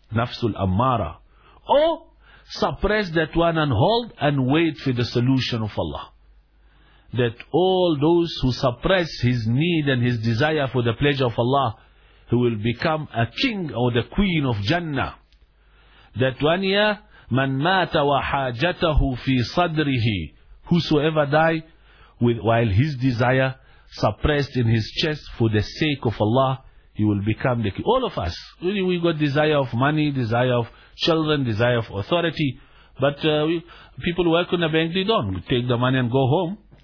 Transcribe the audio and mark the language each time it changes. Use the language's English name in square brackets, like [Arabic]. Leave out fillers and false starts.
[English] Nafsul ammara. Or suppress that one and hold and wait for the solution of Allah. That all those who suppress his need and his desire for the pleasure of Allah, he will become a king or the queen of Jannah. That one here, [Arabic] من مات وحاجته في صدره. [English] Whosoever die while his desire suppressed in his chest for the sake of Allah, he will become the king. All of us, we got desire of money, desire of children, desire of authority. But people work in the bank, they don't. We take the money and go home.